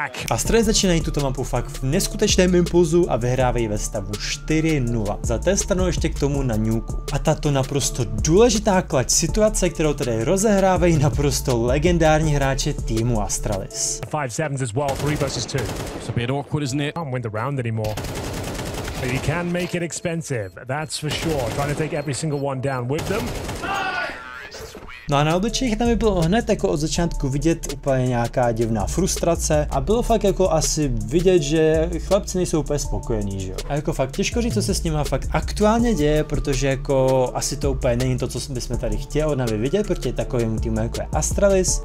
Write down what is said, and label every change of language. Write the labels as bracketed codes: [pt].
[cs] Astralis začínají tuto mapu fakt v neskutečném impulzu a vyhrávají ve stavu 4-0. Za té stranu ještě k tomu na Nuku. A tato naprosto důležitá klač situace, kterou tady rozehrávají naprosto legendární hráče týmu Astralis. [en] 5-7 as well, 3 versus 2. It's a bit awkward, isn't it? I can't win the round anymore. But you can make it expensive, that's for sure. Trying to take every single one down with them. [cs] No a na obličejích tam bylo hned jako od začátku vidět úplně nějaká divná frustrace a bylo fakt jako asi vidět, že chlapci nejsou úplně spokojení, že jo. A jako fakt těžko říct, co se s nima fakt aktuálně děje, protože jako asi to úplně není to, co bychom tady chtěli od nami vidět proti takovému týmu jako je Astralis.